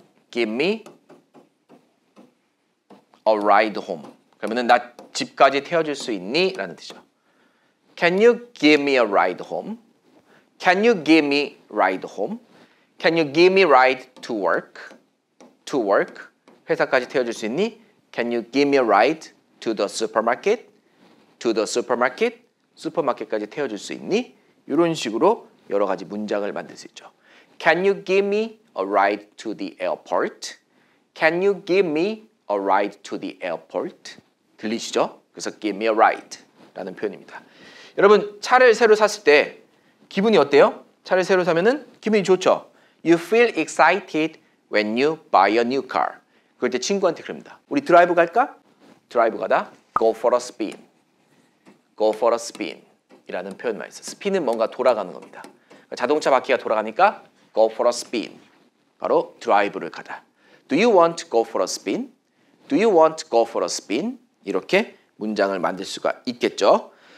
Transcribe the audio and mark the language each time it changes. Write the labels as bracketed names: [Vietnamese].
[English] Give me a ride home. [Korean] 그러면은 나 집까지 태워줄 수 있니? 라는 뜻이죠. [English] Can you give me a ride home? Can you give me ride home? Can you give me ride to work? To work. [Korean] 회사까지 태워줄 수 있니? [English] Can you give me a ride to the supermarket? To the supermarket. [Korean] 슈퍼마켓까지 태워줄 수 있니? 이런 식으로 여러 가지 문장을 만들 수 있죠. [English] Can you give me a ride to the airport? Can you give me a ride to the airport? [Korean] 들리시죠? 그래서 give me a ride 라는 표현입니다. 여러분, 차를 새로 샀을 때 기분이 어때요? 차를 새로 사면은 기분이 좋죠? [English] You feel excited when you buy a new car. [Korean] 그럴 때 친구한테 그럽니다. 우리 드라이브 갈까? 드라이브 가다. [English] Go for a spin. Go for a spin. [Korean] 이라는 표현만 있어요. 스핀은 뭔가 돌아가는 겁니다. 자동차 바퀴가 돌아가니까 [English] go for a spin. [Korean] 바로 드라이브를 가다. [English] Do you want to go for a spin? Do you want to go for a spin? [Korean] 이렇게 문장을 만들 수가 있겠죠.